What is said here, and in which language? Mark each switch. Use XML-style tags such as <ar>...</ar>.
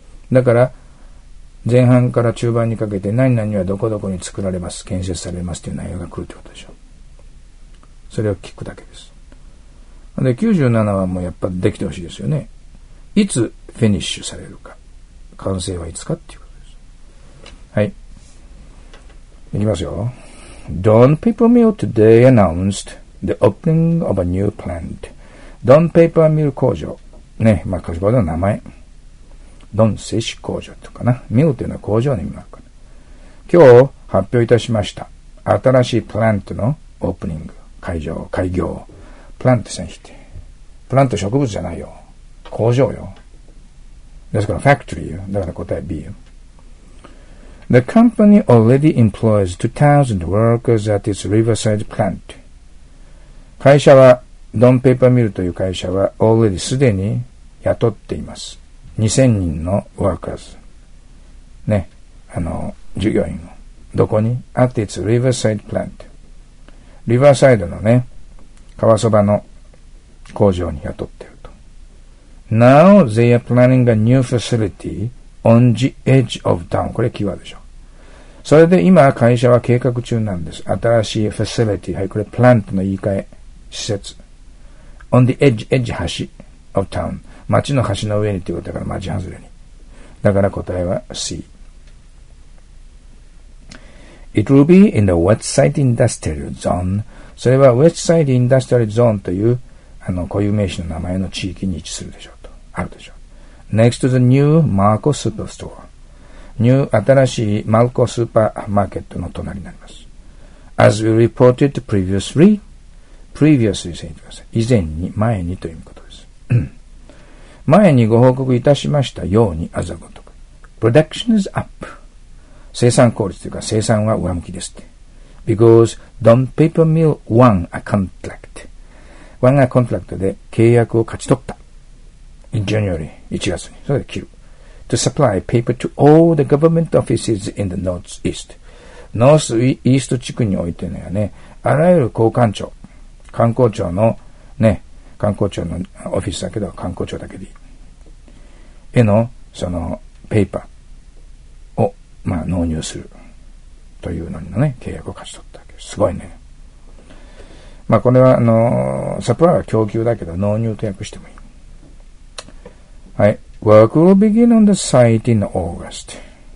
<ja>だから、前半から中盤にかけて何々はどこどこに作られます、建設されますという内容が来るということでしょう。それを聞くだけです。で、97はもうやっぱできてほしいですよね。いつフィニッシュされるか。完成はいつかっていうことです。はい。いきますよ。</ja> <en>Don't people mill today announced the opening of a new plant.</en> <ja>ドンペーパーミル工場。ね。まあ、工場の名前。ドン製紙工場とかな。ミルというのは工場の意味もあるから。今日発表いたしました。新しいプラントのオープニング。会場、開業。プラント選手って。プラント植物じゃないよ。工場よ。ですからファクトリーよ。だから答え B よ。</ja> <en>The company already employs 2,000 workers at its riverside plant.</en> <ja>会社はドンペーパーミルという会社は already すでに雇っています。 2000人のワーカーズ。ね。従業員を。どこに</ja> <en>?at its riverside plant.</en> <ja>リバーサイドのね、川そばの工場に雇っていると。</ja> <en>Now they are planning a new facility on the edge of town.</en> <ja>これキーワードでしょ。それで今会社は計画中なんです。新しい facility。はい、これプラントの言い換え。</ja> <en>施設。On the edge, edge, 端 of town.</en> <ja>町の端の上にということだから、町外れに。だから答えは C。</ja> <en>It will be in the West Side Industrial Zone.</en> <ja>それは West Side Industrial Zone という、固有名詞の名前の地域に位置するでしょうと。あるでしょう。</ja> <en>Next to the new Marco Superstore.</en> <ja>New, 新しいマルコスーパーマーケットの隣になります。</ja> <en>As we reported previously,previously</en> <ja>先生ください。以前に、前にということです。前にご報告いたしましたように、あざごとく。</ja> <en>production is up.</en> <ja>生産効率というか生産は上向きですって。</ja> <en>because Don Paper Mill won a contract. won a contract</en> <ja>で契約を勝ち取った。</ja> <en>in January,</en> <ja>1月に。それで切る。</ja> <en>to supply paper to all the government offices in the Northeast.</en> <ja>Northeast 地区においてのやね、あらゆる交換庁、観光庁のね、観光庁のオフィスだけど、観光庁だけでいい。への、その、ペーパーを、まあ、納入する。というのにのね、契約を勝ち取ったわけです。すごいね。まあ、これは、サプライは供給だけど、納入と訳してもいい。はい。</ja> <en>Work will begin on the site in August.</en>